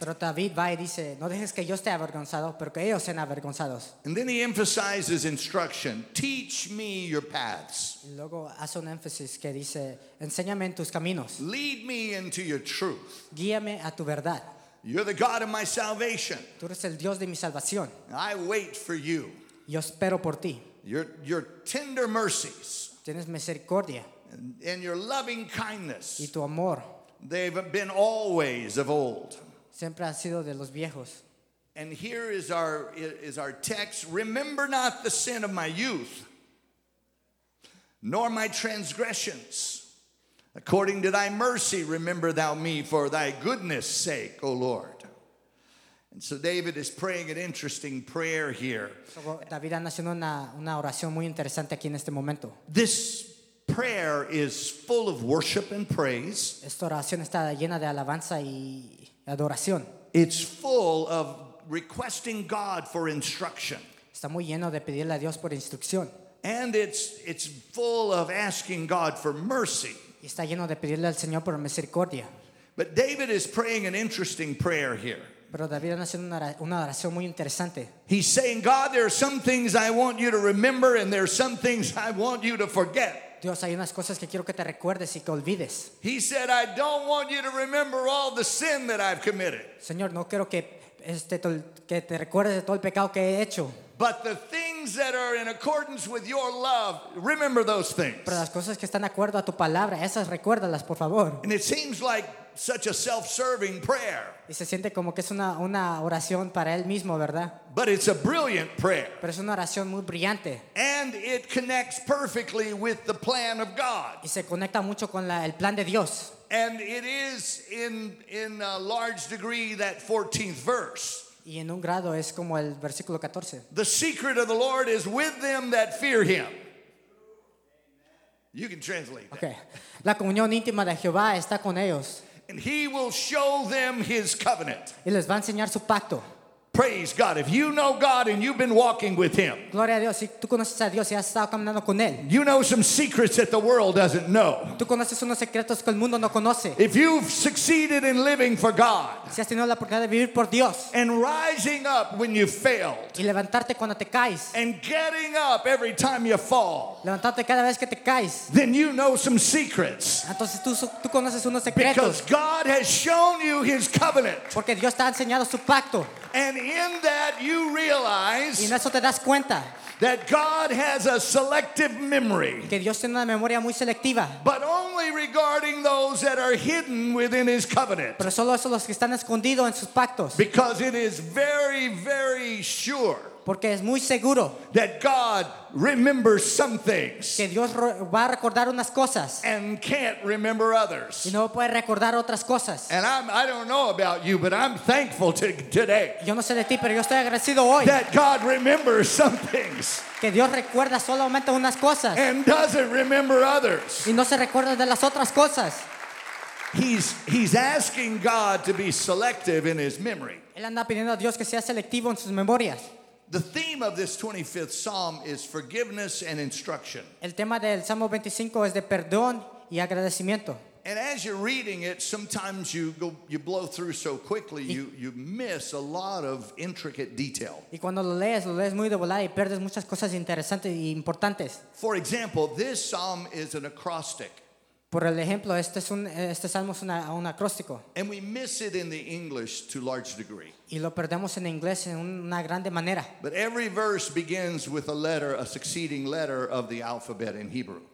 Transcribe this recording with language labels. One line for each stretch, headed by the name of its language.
Spanish: Pero David va y dice, no dejes que yo esté avergonzado, pero que ellos sean avergonzados.
English: And then he emphasizes instruction, "Teach me your paths."
Spanish: Y luego hace un énfasis que dice, enséñame en tus caminos.
English: "Lead me into your truth."
Spanish: Guíame a tu verdad.
English: "You're the God of my salvation."
Spanish: Tú eres el Dios de mi salvación.
English: "I wait for you."
Spanish: Yo espero por ti.
English: Your tender mercies.
Spanish: Tienes misericordia.
English: And your loving kindness.
Spanish: Y tu amor.
English: They've been always of old.
Spanish: Siempre han sido de los viejos.
English: And here is our text. "Remember not the sin of my youth, nor my transgressions. According to thy mercy, remember thou me for thy goodness' sake, O Lord." So David is praying an interesting prayer here.
Spanish: David está haciendo una oración muy interesante aquí en este momento.
English: This prayer is full of worship and praise.
Spanish: Esta oración está llena de alabanza y adoración.
English: It's full of requesting God for instruction.
Spanish: Está muy lleno de pedirle a Dios por instrucción.
English: And it's full of asking God for mercy.
Spanish: Está lleno de pedirle al Señor por misericordia.
English: But David is praying an interesting prayer here.
Spanish: Pero David está haciendo una oración muy interesante.
English: He's saying, "God, there are some things I want you to remember, and there are some things I want you to forget."
Spanish: Dios, hay unas cosas que quiero que te recuerdes y que olvides.
English: He said, "I don't want you to remember all the sin that I've committed."
Spanish: Señor, no quiero que que te recuerdes de todo el pecado que he hecho.
English: But the things that are in accordance with your love, remember those things.
Spanish: Pero las cosas que están de acuerdo a tu palabra, esas recuérdalas, por favor.
English: And it seems like such a self-serving prayer.
Spanish: Y se siente como que es una oración para él mismo, ¿verdad?
English: But it's a brilliant prayer.
Spanish: Pero es una oración muy brillante.
English: And it connects perfectly with the plan of God.
Spanish: Y se conecta mucho con el plan de Dios.
English: And it is in a large degree that 14th verse.
Spanish: Y en un grado es como el versículo 14.
English: The secret of the Lord is with them that fear him. You can translate that. Okay.
Spanish: La comunión íntima de Jehová está con ellos.
English: And he will show them his covenant.
Spanish: Y les va a enseñar su pacto.
English: Praise God. If you know God and you've been walking with him.
Spanish: Gloria a Dios. Si tú conoces a Dios y has estado caminando con él.
English: You know some secrets that the world doesn't know.
Spanish: Tú conoces unos secretos que el mundo no conoce.
English: If you've succeeded in living for God.
Spanish: Si has tenido la oportunidad de vivir por Dios.
English: And rising up when you failed.
Spanish: Y levantarte cuando te caes.
English: And getting up every time you fall.
Spanish: Levantarte cada vez que te caes.
English: Then you know some secrets.
Spanish: Entonces tú conoces unos secretos.
English: Because God has shown you his covenant.
Spanish: Porque Dios te ha enseñado su pacto.
English: And in that you realize
Spanish: y en eso te das cuenta
English: that God has a selective memory,
Spanish: que Dios tiene una memoria muy selectiva,
English: but only regarding those that are hidden within his covenant.
Spanish: Pero solo esos los que están escondidos en sus pactos.
English: Because it is very, very sure,
Spanish: porque es muy seguro,
English: that God remembers some things,
Spanish: que Dios va a recordar unas cosas,
English: and can't remember others.
Spanish: Y no puede recordar otras cosas.
English: And I don't know about you, but I'm thankful today.
Spanish: Yo no sé de ti, pero yo estoy agradecido hoy.
English: That God remembers some things,
Spanish: que Dios recuerda solamente unas cosas,
English: and doesn't remember others.
Spanish: Y no se recuerda de las otras cosas.
English: He's asking God to be selective in his memory.
Spanish: Él anda pidiendo a Dios que sea selectivo en sus memorias.
English: The theme of this 25th psalm is forgiveness and instruction.
Spanish: El tema del Salmo 25 es de perdón y agradecimiento.
English: And as you're reading it, sometimes you blow through so quickly, you miss a lot of intricate detail.
Spanish: Y cuando lo lees muy de volada y pierdes muchas cosas interesantes y importantes.
English: For example, this psalm is an acrostic.
Spanish: Por el ejemplo, este salmo es un acróstico.
English: And we miss it in the English to a large degree.
Spanish: Y lo perdemos en inglés en una grande manera.
English: But every verse begins with a letter, a succeeding letter of the alphabet in Hebrew.